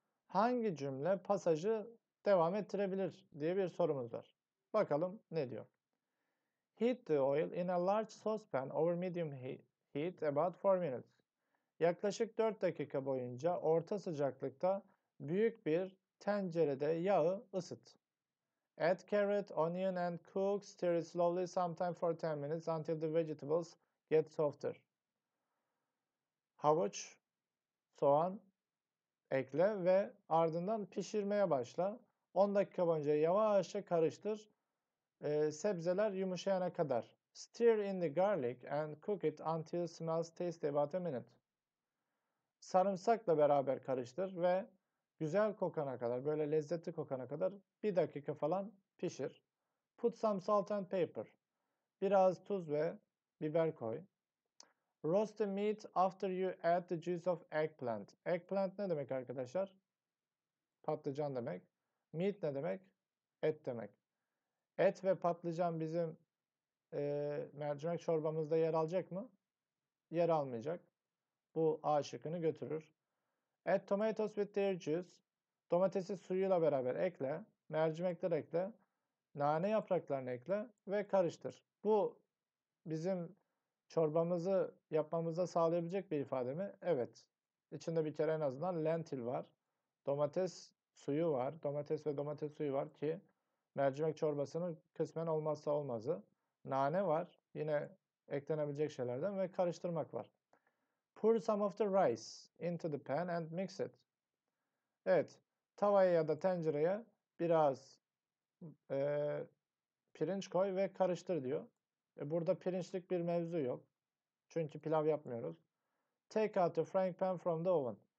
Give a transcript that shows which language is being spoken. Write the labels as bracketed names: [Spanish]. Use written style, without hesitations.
[Turkish] Hangi cümle pasajı devam ettirebilir diye bir sorumuz var. Bakalım ne diyor? [English] Heat the oil in a large saucepan over medium heat about 4 minutes. [Turkish] Yaklaşık 4 dakika boyunca orta sıcaklıkta büyük bir tencerede yağı ısıt. [English] Add carrot, onion and cook. Stir it slowly sometime for 10 minutes until the vegetables get softer. [Turkish] Havuç, soğan ekle ve ardından pişirmeye başla. 10 dakika boyunca yavaşça karıştır. Sebzeler yumuşayana kadar. [English] Stir in the garlic and cook it until smells taste about a minute. [Turkish] Sarımsakla beraber karıştır ve güzel kokana kadar, böyle lezzetli kokana kadar 1 dakika falan pişir. [English] Put some salt and pepper. [Turkish] Biraz tuz ve biber koy. [English] Roast the meat after you add the juice of eggplant. [Turkish] Eggplant ne demek arkadaşlar? Patlıcan demek. Meat ne demek? Et demek. Et ve patlıcan bizim mercimek çorbamızda yer alacak mı? Yer almayacak. Bu A şıkkını götürür. [English] Add tomatoes with their juice. [Turkish] Domatesi suyuyla beraber ekle. Mercimekleri ekle. Nane yapraklarını ekle ve karıştır. Bu bizim çorbamızı yapmamıza sağlayabilecek bir ifade mi? Evet. İçinde bir kere en azından lentil var. Domates suyu var. Domates ve domates suyu var ki mercimek çorbasının kısmen olmazsa olmazı. Nane var. Yine eklenebilecek şeylerden ve karıştırmak var. [English] Pour some of the rice into the pan and mix it. [Turkish] Evet. Tavaya ya da tencereye biraz pirinç koy ve karıştır diyor. Burada pirinçlik bir mevzu yok. Çünkü pilav yapmıyoruz. [English] Take out the frying pan from the oven.